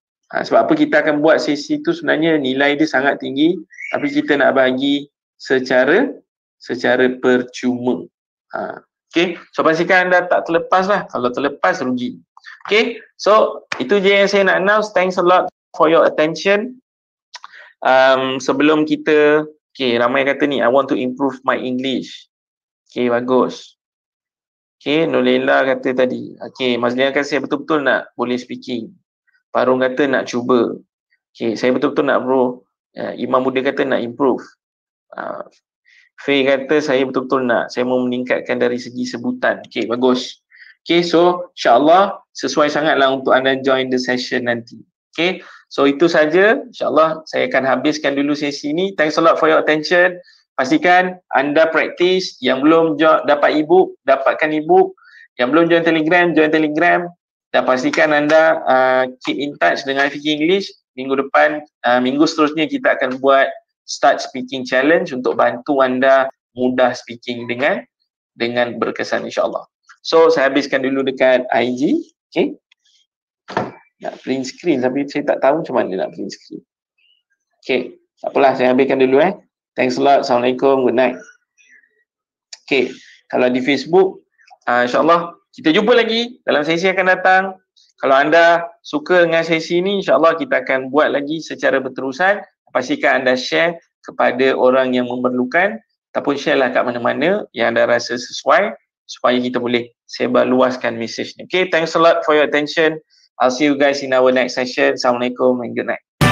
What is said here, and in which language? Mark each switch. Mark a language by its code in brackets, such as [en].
[ms] Sebab apa kita akan buat sesi tu, sebenarnya nilai dia sangat tinggi, tapi kita nak bagi secara percuma. Okay, so pastikan anda tak terlepas lah. Kalau terlepas, rugi. Okay, so itu je yang saya nak announce. [en] Thanks a lot for your attention. [ms] Sebelum kita, okay, ramai kata ni, [en] I want to improve my English. [ms] Okay, bagus. Okay, Nolela kata tadi, okay, Mazlina kata saya betul-betul nak boleh speaking. Parung kata nak cuba. Okay, saya betul-betul nak bro. Imam Muda kata nak improve. Faye kata saya betul-betul nak, saya mau meningkatkan dari segi sebutan. Okay, bagus. Okay, so insyaAllah sesuai sangatlah untuk anda [en] join the session [ms] nanti. Okay, so itu saja. InsyaAllah saya akan habiskan dulu sesi ni. [en] Thanks a lot for your attention. [ms] Pastikan anda practice. Yang belum dapat e-book, dapatkan e-book. Yang belum join Telegram, join Telegram. Dan pastikan anda [en] keep in touch [ms] dengan IFK English. Minggu depan, minggu seterusnya kita akan buat [en] start speaking challenge [ms] untuk bantu anda mudah speaking dengan berkesan, insyaAllah. So saya habiskan dulu dekat IG. Okay. Nak print screen tapi saya tak tahu macam mana nak print screen. Okay, takpelah saya ambilkan dulu eh. [en] Thanks a lot, Assalamualaikum, good night. [ms] Okay, kalau di Facebook, insyaAllah kita jumpa lagi dalam sesi yang akan datang. Kalau anda suka dengan sesi ni, insyaAllah kita akan buat lagi secara berterusan. Pastikan anda share kepada orang yang memerlukan ataupun share lah kat mana-mana yang anda rasa sesuai supaya kita boleh sebarluaskan message ni. [en] Okay, thanks a lot for your attention. I'll see you guys in our next session. Assalamualaikum and good night.